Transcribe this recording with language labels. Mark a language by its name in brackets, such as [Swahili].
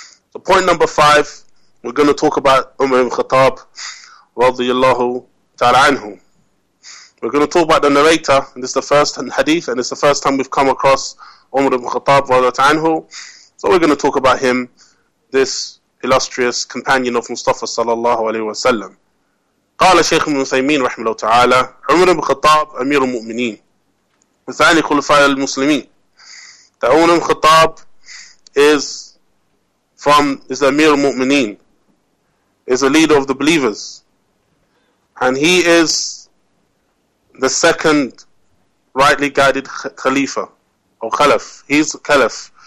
[English] So point number 5, we're going to talk about Umar ibn Khattab radiyallahu ta'ala anhu. We're going to talk about the narrator, and this is the first hadith, and it's the first time we've come across Umar ibn Khattab radiallahu ta'ala anhu. So we're going to talk about him, this illustrious companion of Mustafa sallallahu alayhi wa sallam. [Arabic] قال شيخ ابن عثيمين رحمه الله تعالى عمر بن الخطاب أمير المؤمنين وثاني خلفاء المسلمين. [English] عمر بن الخطاب is أمير المؤمنين, is a leader of the believers, and he is the second rightly guided khalifa or khalif. He's a khalif.